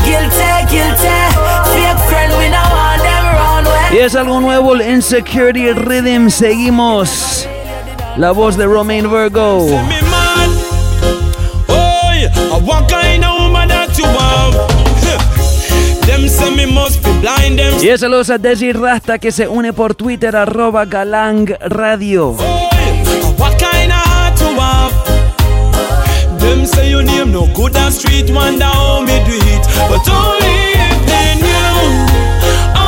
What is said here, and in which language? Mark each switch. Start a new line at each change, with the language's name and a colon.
English: Guilty, guilty. Fake friend, we know.
Spanish: Y es algo nuevo, el Insecurity Rhythm. Seguimos. La voz de Romain Virgo.
English: Oy, what kind of woman that you want? Them say me must be blind.
Spanish: Y es saludos a Desi Rasta que se une por Twitter, arroba Galang Radio.
English: Oy, what kind of heart you want? Them say you name no good on street, wonder how me do it. But only if they knew.